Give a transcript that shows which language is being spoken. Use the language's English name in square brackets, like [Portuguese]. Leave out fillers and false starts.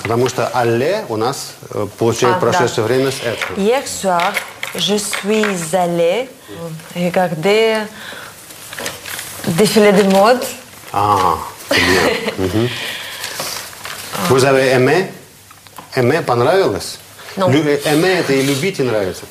[Russian] Потому что allé у нас получает прошедшее время с être. [French] Hier soir, je suis allé regarder défilé de mode. Ah, c'est bien. Vous avez aimé? [Russian] Aimé, понравилось? [French] Aimer, c'est [Russian] любить и нравиться.